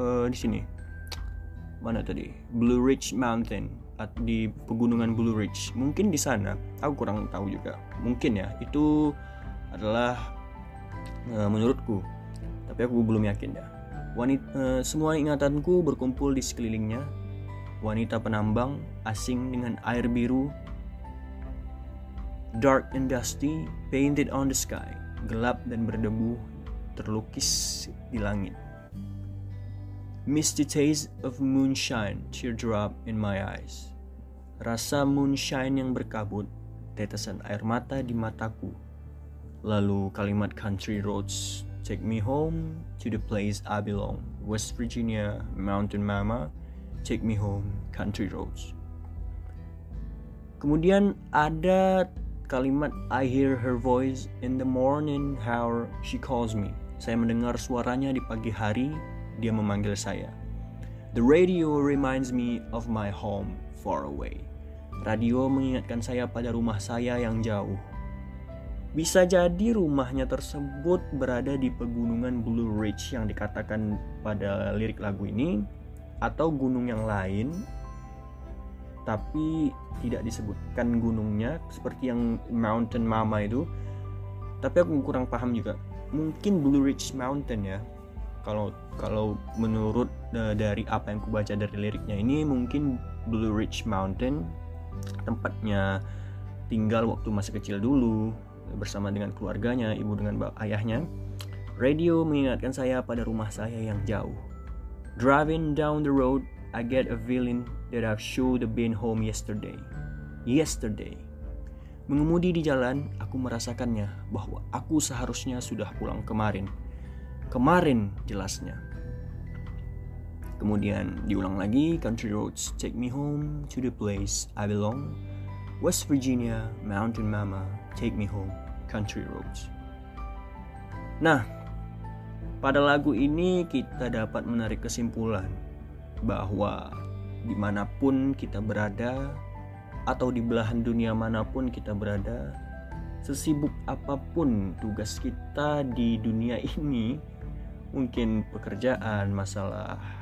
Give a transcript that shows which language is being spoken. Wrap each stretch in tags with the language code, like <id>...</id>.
<id>di sini mana tadi Blue Ridge Mountain di pegunungan Blue Ridge mungkin di sana aku kurang tahu juga mungkin ya itu adalah menurutku tapi aku belum yakin ya semua ingatanku berkumpul di sekelilingnya wanita penambang asing dengan air biru.</id> <en>Dark and dusty, painted on the sky.</en> <id>Gelap dan berdebu, terlukis di langit.</id> <en>Misty taste of moonshine, teardrop in my eyes.</en> <id>Rasa moonshine yang berkabut, tetesan air mata di mataku. Lalu kalimat</id> <en>country roads, take me home to the place I belong. West Virginia, mountain mama, take me home, country roads.</en> <id>Kemudian ada kalimat</id> <en>I hear her voice in the morning how she calls me.</en> <id>Saya mendengar suaranya di pagi hari, dia memanggil saya.</id> <en>The radio reminds me of my home far away.</en> <id>Radio mengingatkan saya pada rumah saya yang jauh. Bisa jadi rumahnya tersebut berada di pegunungan Blue Ridge yang dikatakan pada lirik lagu ini atau gunung yang lain. Tapi tidak disebutkan gunungnya seperti yang Mountain Mama itu. Tapi aku kurang paham juga. Mungkin Blue Ridge Mountain ya. Kalau menurut dari apa yang kubaca dari liriknya ini, mungkin Blue Ridge Mountain tempatnya tinggal waktu masih kecil dulu bersama dengan keluarganya, ibu dengan ayahnya. Radio mengingatkan saya pada rumah saya yang jauh.</id> <en>Driving down the road, I get a feeling that I should have been home yesterday. Yesterday.</en> <id>Mengemudi di jalan, aku merasakannya bahwa aku seharusnya sudah pulang kemarin. Kemarin, jelasnya. Kemudian diulang lagi,</id> <en>country roads take me home to the place I belong. West Virginia, mountain mama, take me home, country roads.</en> <id>Nah, pada lagu ini kita dapat menarik kesimpulan bahwa dimanapun kita berada atau di belahan dunia manapun kita berada, sesibuk apapun tugas kita di dunia ini, mungkin pekerjaan, masalah</id>